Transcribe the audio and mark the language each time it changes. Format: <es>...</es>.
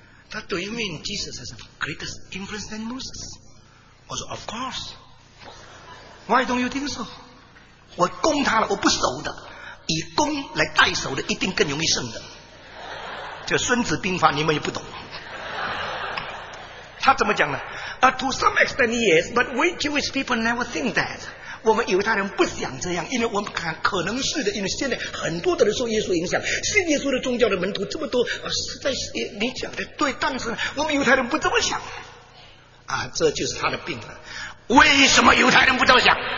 <zh>他</zh> <en>Do you mean Jesus has a greater influence than Moses？</en> <zh>我说</zh> <en>Of course。Why don't you think so？</en> <zh>我攻他了，我不守的，以攻来代守的一定更容易胜的，这孙子兵法你们也不懂。他怎么讲呢？</zh> <en>To some extent yes, but we Jewish people never think that.</en> <zh>我们犹太人不想这样，因为我们看可能是的，因为现在很多的人受耶稣影响，信耶稣的宗教的门徒这么多，实在是你讲的对，但是我们犹太人不这么想。啊，这就是他的病了。为什么犹太人不这么想？</zh>